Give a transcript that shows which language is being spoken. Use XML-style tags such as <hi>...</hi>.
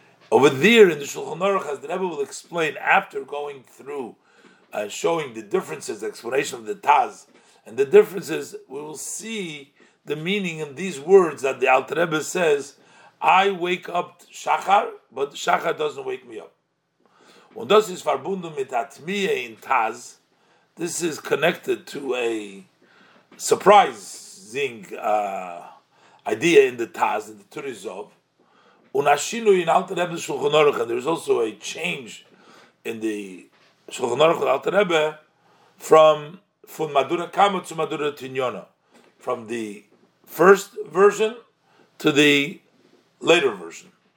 <en>Over there in the Shulchan Aruch, as the Rebbe will explain after going through showing the differences, the explanation of the Taz, and the differences, we will see the meaning in these words that the Alter Rebbe says, I wake up Shachar, but Shachar doesn't wake me up.</en> <yi>Und das ist verbunden mit Atmiyeh in Taz.</yi> <en>This is connected to a surprising idea in the Taz, in the Turizov. There is also a change in the Shulchan Aruch of Alter Rebbe from Madura Kama to Madura Tinyona, from the first version to the later version.</en>